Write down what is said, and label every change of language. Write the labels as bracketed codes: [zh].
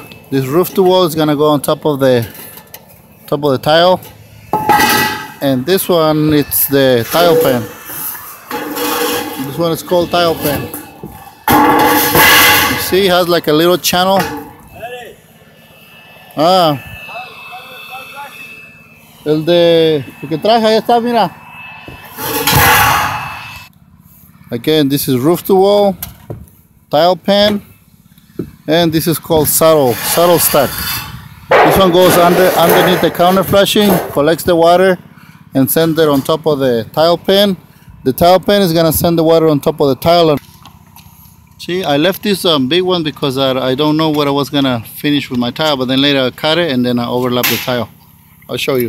[en] This roof to wall is gonna go on top of the top of the tile, and this one, it's the tile pan. This one is called tile pan. You see, it has like a little channel. [es] Ah, el de el que traje ahí está, mira. [en] Again, this is roof to wall, tile pan, and this is called saddle stack. This one goes underneath the counter flashing, collects the water, and sends it on top of the tile pan. The tile pan is going to send the water on top of the tile. See, I left this big one because I don't know what I was going to finish with my tile, but then later I cut it and then I overlap the tile. I'll show you.